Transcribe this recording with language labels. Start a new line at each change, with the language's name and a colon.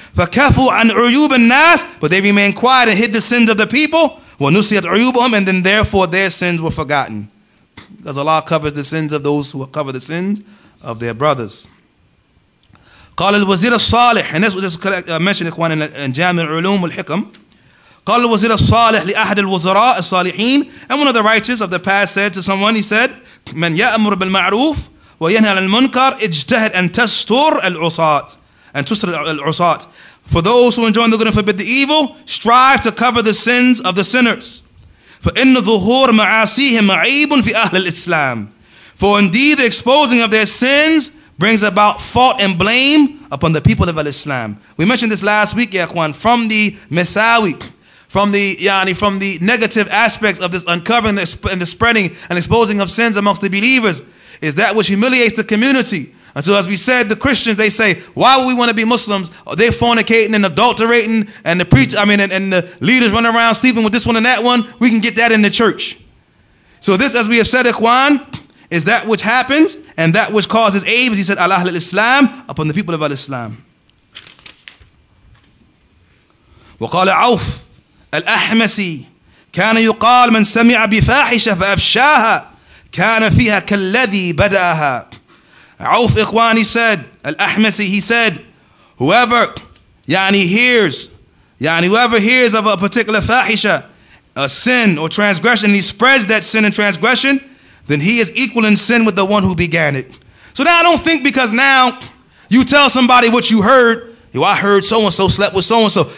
Arabic: فَكَفُوا عَنْ عُيُوبِ النَّاسِ,
English: but they remained quiet and hid the sins of the people.
Arabic: وَنُسِيَتْ عُيُوبُهُمْ,
English: and then therefore their sins were forgotten. Because Allah covers the sins of those who cover the sins of their brothers.
Arabic: قال الوزير الصالح,
English: and this was mentioned, Ikhwan, in جامع العلوم والحكم.
Arabic: قال الوزير الصالح لأحد الوزراء الصالحين,
English: and one of the righteous of the past said to someone, he said,
Arabic: من يأمر بالمعروف وينهى عن المنكر اجتهد أن تستر العصاة, and تستر العصاة.
English: For those who enjoin the good and forbid the evil, strive to cover the sins of the sinners.
Arabic: فإن ظهور معاصيهم عيب في أهل الإسلام.
English: For indeed the exposing of their sins brings about fault and blame upon the people of Al-Islam. We mentioned this last week, Ya Ikhwan, from the Masawi, from the negative aspects of this uncovering and the spreading and exposing of sins amongst the believers, is that which humiliates the community. And so as we said, the Christians, they say, why would we want to be Muslims? Are they fornicating and adulterating, and and the leaders running around sleeping with this one and that one? We can get that in the church. So this, as we have said, Ikhwan, is that which happens and that which causes aibs, he said, Allah al-Islam, upon the people of al-Islam.
Arabic: وقال عوف الأحمسي كان يقال من سمع بفاحشة فأفشاها كان فيها كالذي بدأها.
English: Awf, Ikhwan, he said, الأحمسي, he said, whoever, whoever hears of a particular fahisha, a sin or transgression, he spreads that sin and transgression, then he is equal in sin with the one who began it. So now I don't think because now you tell somebody what you heard, I heard so-and-so slept with so-and-so.